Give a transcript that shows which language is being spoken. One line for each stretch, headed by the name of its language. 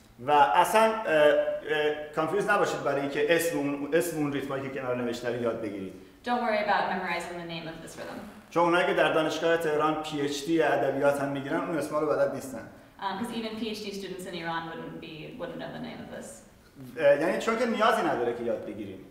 Persian: و اصلا confused نباشید برای اینکه اسم اون ریتمایی که کنار نوشته رو یاد بگیرید.
English: Don't worry about memorizing the name of this rhythm.
Persian: چون اونایی که در دانشگاه تهران PhD ادبیات هم میگیرن اون اسما رو بلد نیستن.
English: Because even PhD students in Iran wouldn't know the name of this.
Persian: یعنی چون که نیازی نداره که یاد بگیریم.